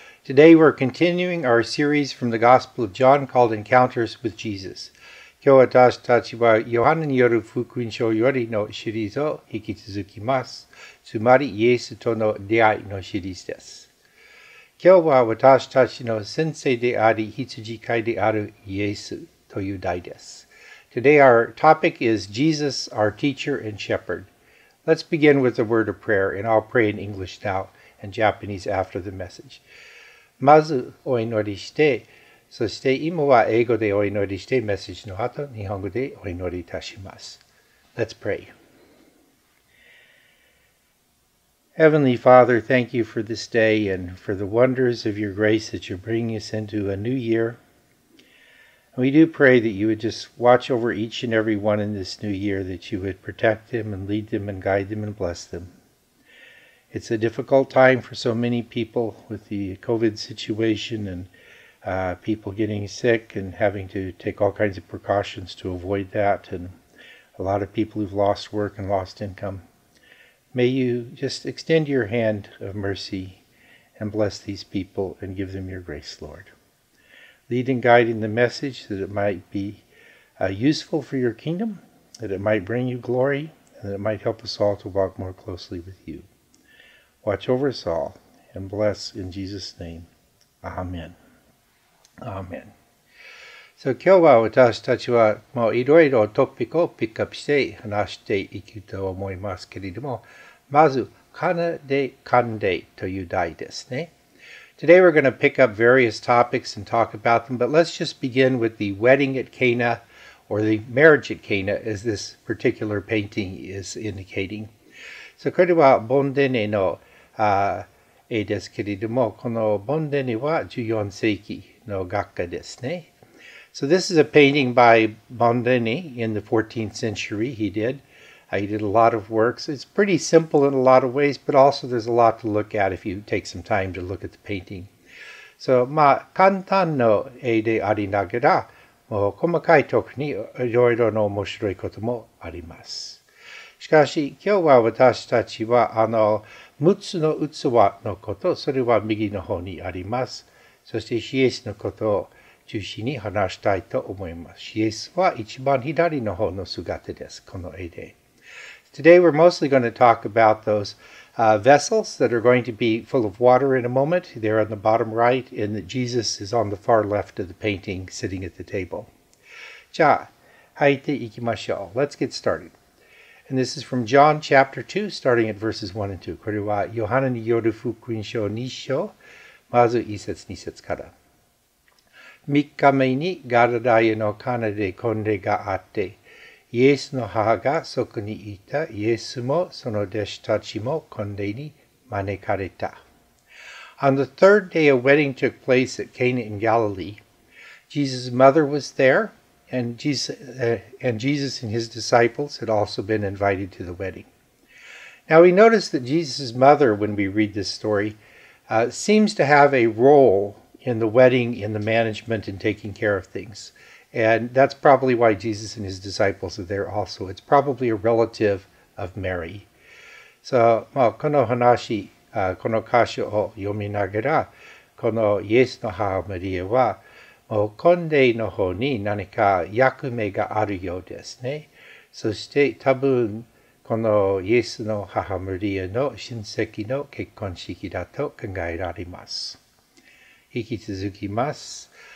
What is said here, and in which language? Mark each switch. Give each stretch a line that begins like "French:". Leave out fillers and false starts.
English: Today we're continuing our series from the Gospel of John called Encounters with Jesus.
Japanese: 今日私たちはヨハネによる福音書よりのシリーズを引き続きます。つまりイエスとの出会いのシリーズです。今日は私たちの先生であり羊飼いであるイエスという題です。
English: Today our topic is Jesus, our teacher and shepherd. Let's begin with a word of prayer, and I'll pray in English now and Japanese after the message. まずお祈りして、そして今は英語でお祈りして、メッセージの後、日本語でお祈りいたします。 Let's pray. Heavenly Father, thank you for this day and for the wonders of your grace that you're bringing us into a new year. We do pray that you would just watch over each and every one in this new year, that you would protect them and lead them and guide them and bless them. It's a difficult time for so many people with the COVID situation and people getting sick and having to take all kinds of precautions to avoid that, and a lot of people who've lost work and lost income. May you just extend your hand of mercy and bless these people and give them your grace, Lord. Lead and guide in the message that it might be useful for your kingdom, that it might bring you glory, and that it might help us all to walk more closely with you. Watch over us all and bless in Jesus' name. Amen. Amen.
Japanese: So, 今日は私たちはもういろいろトピックをピックアップして話していくと思いますけれども、まず、奏で奏でという題ですね。
English: Today we're going to pick up various topics and talk about them, but let's just begin with the wedding at Cana, or the marriage at Cana, as this particular painting is indicating.
Japanese: So, これは盆典の絵ですけれども、この盆典は14世紀の画家ですね。
English: So, this is a painting by Bondin in the 14th century he did. He did a lot of works. It's pretty simple in a lot of ways, but also there's a lot to look at if you take some time to look at the painting.
Japanese: So, まあ、簡単な絵でありながら、もう細かいところにいろいろの面白いこともあります。しかし、今日は私たちは、6つの器のこと、それは右の方にあります。そして、イエスのことを中心に話したいと思います。イエスは一番左の方の姿です、この絵で。
English: Today we're mostly going to talk about those vessels that are going to be full of water in a moment. They're on the bottom right, and that Jesus is on the far left of the painting, sitting at the table.
Japanese: じゃあ、入っていきましょう。
English: Let's get started. And this is from John chapter 2, starting at verses 1 and 2.
Japanese: これはヨハネによる福音書2章、まず1節2節から。 3日目にガラダヤの奏で婚礼があって、イエスの母がそこにいた。イエスもその弟子たちも婚礼に招かれた。
English: On the third day a wedding took place at Cana in Galilee. Jesus' mother was there, and Jesus and his disciples had also been invited to the wedding. Now we notice that Jesus' mother, when we read this story, seems to have a role in the wedding, in the management and taking care of things. And that's probably why Jesus and his disciples are there also. It's probably a relative of Mary.
Japanese: So, まあ、この話、この箇所を読みながら、このイエスの母マリアは、もう婚礼の方に何か役目があるようですね。そして、多分、このイエスの母マリアの親戚の結婚式だと考えられます。引き続きます。